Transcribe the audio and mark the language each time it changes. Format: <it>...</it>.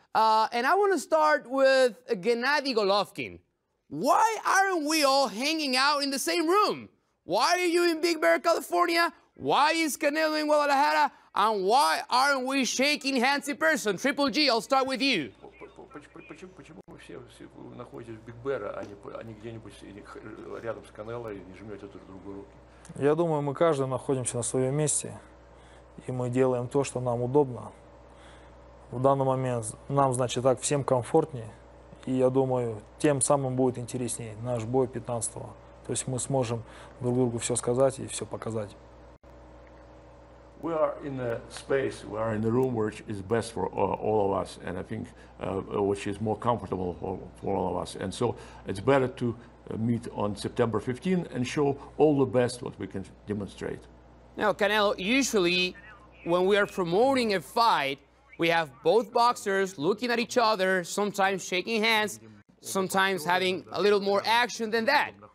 <en>And I want to start with Gennady Golovkin. Why aren't we all hanging out in the same room? Why are you in Big Bear, California? Why is Canelo in Guadalajara? And why aren't we shaking hands in person? Triple G, I'll start with you.</en> <ru>Почему вы все находитесь в Биг Бэре, а не где-нибудь рядом с Канело и не жмете друг другу руки? Я думаю, мы каждый находимся на своем месте, и мы делаем то, что нам удобно. В данный момент нам, значит, так всем комфортнее, и я думаю, тем самым будет интереснее наш бой 15-го. То есть мы сможем друг другу все сказать и все показать.</ru> <en>We are in a space, we are in a room which is best for all of us, and I think which is more comfortable for all of us. And so it's better to meet on September 15 and show all the best what we can demonstrate. Now, Canelo, usually when we are promoting a fight, we have both boxers looking at each other, sometimes shaking hands, sometimes having a little more action than that.</en>